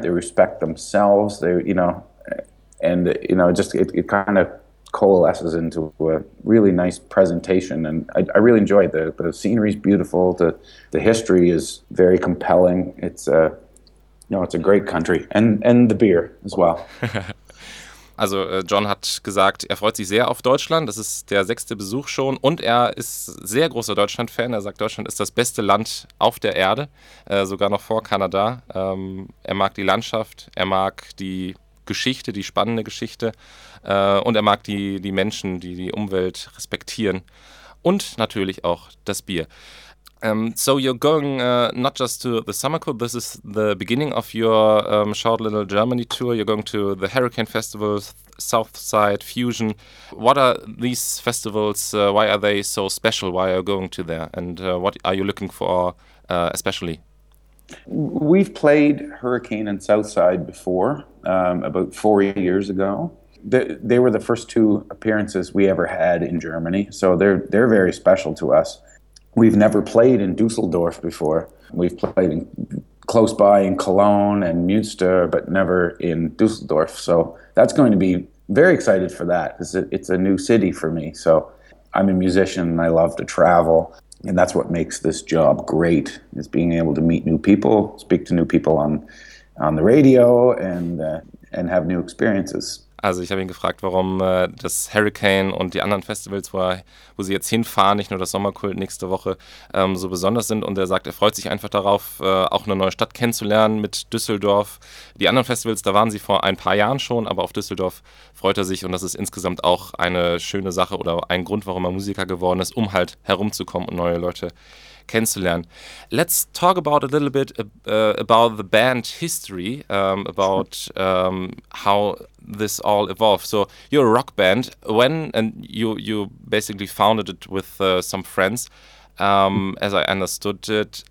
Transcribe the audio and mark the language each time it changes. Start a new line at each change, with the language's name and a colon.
English: They respect themselves. It kind of coalesces into a really nice presentation, and I really enjoy it. The scenery is beautiful. The history is very compelling. It's a great country, and the beer as well.
German: Also John hat gesagt, er freut sich sehr auf Deutschland. Das ist der 6. Besuch schon und er ist sehr großer Deutschland-Fan. Er sagt, Deutschland ist das beste Land auf der Erde, sogar noch vor Kanada. Er mag die Landschaft, er mag die Geschichte, die spannende Geschichte und er mag die Menschen, die die Umwelt respektieren und natürlich auch das Bier.
English: So you're going not just to the Summer Club, this is the beginning of your short little Germany tour. You're going to the Hurricane Festival, Southside, Fusion. What are these festivals, why are they so special, why are you going to there, and what are you looking for especially? We've played Hurricane and Southside before, about 4 years ago. They were the first two appearances we ever had in Germany, so they're very special to us. We've never played in Dusseldorf before. We've played close by in Cologne and Münster, but never in Dusseldorf. So that's going to be very excited for that. It's a new city for me. So I'm a musician and I love to travel. And that's what makes this job great, is being able to meet new people, speak to new people on the radio and have new experiences.
German: Also ich habe ihn gefragt, warum das Hurricane und die anderen Festivals, wo sie jetzt hinfahren, nicht nur das Sommerkult nächste Woche, so besonders sind. Und er sagt, er freut sich einfach darauf, auch eine neue Stadt kennenzulernen mit Düsseldorf. Die anderen Festivals, da waren sie vor ein paar Jahren schon, aber auf Düsseldorf freut er sich. Und das ist insgesamt auch eine schöne Sache oder ein Grund, warum er Musiker geworden ist, um halt herumzukommen und neue Leute kennenzulernen.
English: Let's talk about a little bit about the band history, about how this all evolved. So you're a rock band. When and you basically founded it with some friends, as I understood it.